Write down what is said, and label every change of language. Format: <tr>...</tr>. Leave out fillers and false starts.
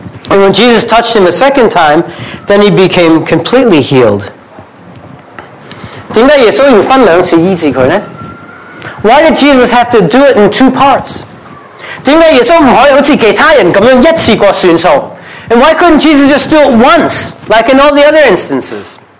<en>and when Jesus touched him a second time, then he became completely healed.</en> <zh>为什么耶稣要分两次医治他呢?</zh> <en>Why did Jesus have to do it in two parts?</en> <zh>为什么耶稣不可以像其他人那样一次过算数?</zh> <en>And why couldn't Jesus just do it once, like in all the other instances?</en>